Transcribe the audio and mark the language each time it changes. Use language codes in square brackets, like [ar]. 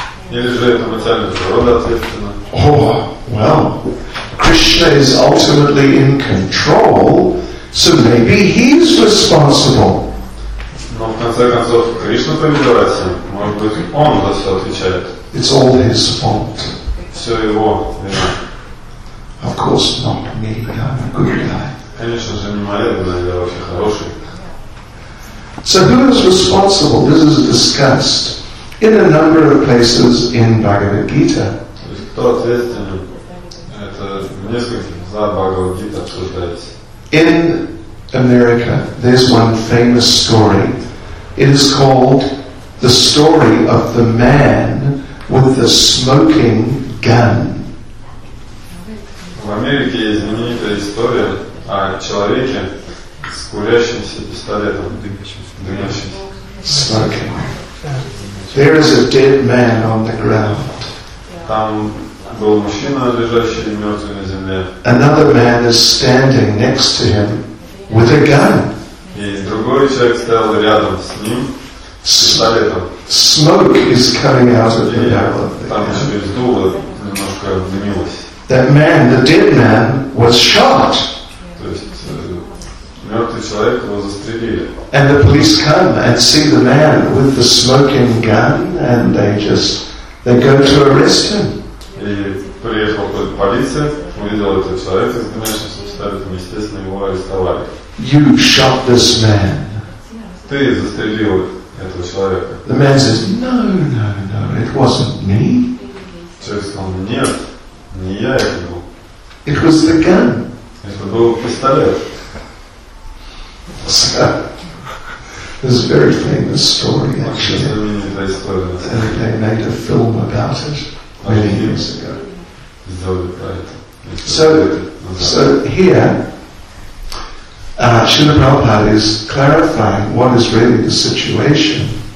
[ru] Или же это материальная природа ответственна? [en] Oh, well, Krishna is ultimately in control, so maybe he's responsible. [ru] Но в конце концов, Кришна повелевает всем. Может быть, он за все отвечает. [en] It's all his fault. [ru] Все его вина. [en] Of course not me, I'm a good guy. [ru] Конечно же, не моя вина, я вообще хороший. [en] So who is responsible? This is discussed in a number of places in Bhagavad Gita. [ru] Кто ответственен? Это несколько за Бхагавад Гита обсуждается. [en] In America, there's one famous story. It is called the story of the man with the smoking gun. [ru] В Америке есть знаменитая история о человеке с курящимся пистолетом. [en] Smoking. There is a dead man on the ground. [ru] Там был мужчина, лежащий мертвый на земле. [en] Another man is standing next to him. with a gun. [ru] И другой человек стоял рядом с ним, с пистолетом. [en] Smoke is coming out of the barrel. [ru] Там еще дуло немножко дымилось. [en] That man, the dead man, was shot. [ru] То есть мертвый человек его застрелили. [en] And the police come and see the man with the smoking gun, and they go to arrest him. [ru] И приехал полиция, увидел этого человека с дымящимся пистолетом, естественно его арестовали. [en] You shot this man. [ru] Ты застрелил этого человека. [en] The man says, "No, no, no, it wasn't me." [ru] Человек сказал, "Нет, не я это был." [en] It was the gun. [ru] Это был пистолет. [en] So, this is a very famous story, actually. And they made a film about it many years ago. So here, Srila Prabhupada is clarifying what is really the situation.